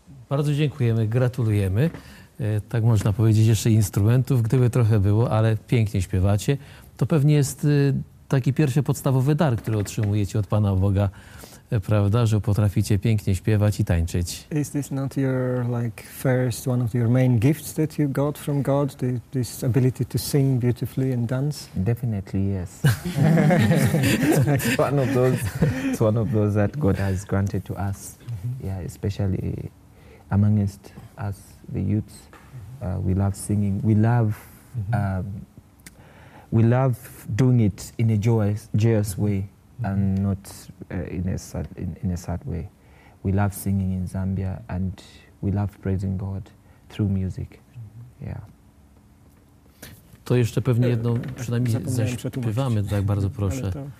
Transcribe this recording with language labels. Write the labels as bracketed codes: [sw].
[pl] Bardzo dziękujemy, gratulujemy. Tak można powiedzieć, jeszcze instrumentów, gdyby trochę było, ale pięknie śpiewacie. To pewnie jest taki pierwszy podstawowy dar, który otrzymujecie od Pana Boga, prawda, że potraficie pięknie śpiewać i tańczyć. [en] Is this not your like first one of your main gifts that you got from God, this ability to sing beautifully and dance? Definitely yes. It's one of those that God has granted to us. Yeah, especially amongst us, the youths, we love singing. We love, we love doing it in a joyous way, and not in a sad way. We love singing in Zambia, and we love praising God through music. Yeah. [pl] To jeszcze pewnie jedną, przynajmniej zaśpiewamy, tak bardzo proszę.